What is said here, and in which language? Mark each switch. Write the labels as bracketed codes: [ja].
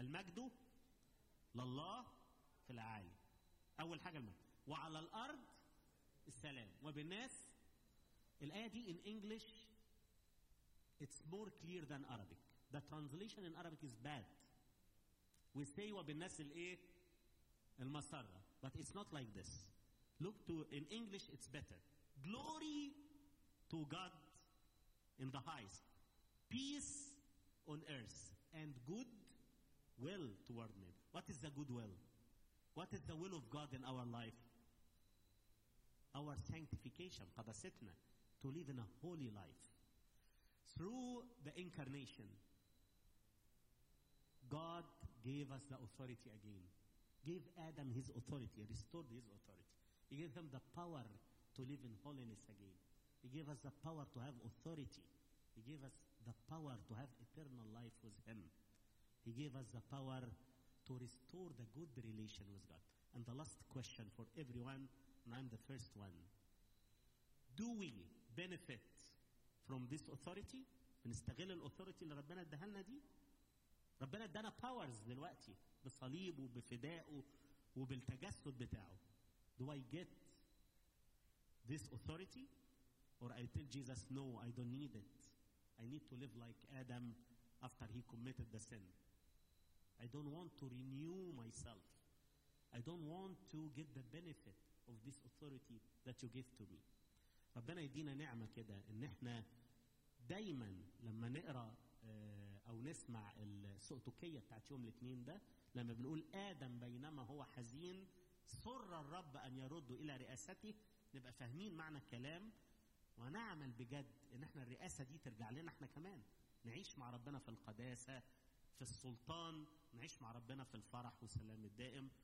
[ar] المجد لله في العالي. أول حاجة المجد. وعلى الأرض السلام وبالناس. الآية دي [en] in English it's more clear than Arabic. The translation in Arabic is bad. We say [ar] وبالناس الايه المسرة. [en] But it's not like this. Look to in English it's better. Glory to God in the highest. Peace on earth and good will toward men. What is the good will? What is the will of God in our life? Our sanctification, [ar] قدستنا, [en] to live in a holy life. Through the incarnation, God gave us the authority again. Gave Adam his authority, restored his authority. He gave them the power to live in holiness again. He gave us the power to have authority. He gave us the power to have eternal life with him. He gave us the power to restore the good relation with God. And the last question for everyone, and I'm the first one. Do we benefit from this authority? [ar] بنستغل الاثوريتي اللي ربنا اداها لنا دي. ربنا ادانا powers دلوقتي بصليبه وبفدائه وبالتجسد بتاعه. [en] Do I get this authority? Or I tell Jesus, no, I don't need it. I need to live like Adam after he committed the sin. I don't want to renew myself. I don't want to get the benefit of this authority that you give to me. [ar] ربنا يدينا نعمة كده ان احنا دايما لما نقرأ او نسمع السؤتوكية بتاعت يوم الاثنين ده لما بنقول آدم بينما هو حزين سر الرب ان يرد الى رئاسته نبقى فاهمين معنى الكلام ونعمل بجد ان احنا الرئاسة دي ترجع لنا احنا كمان نعيش مع ربنا في القداسة في السلطان نعيش مع ربنا في الفرح والسلام الدائم.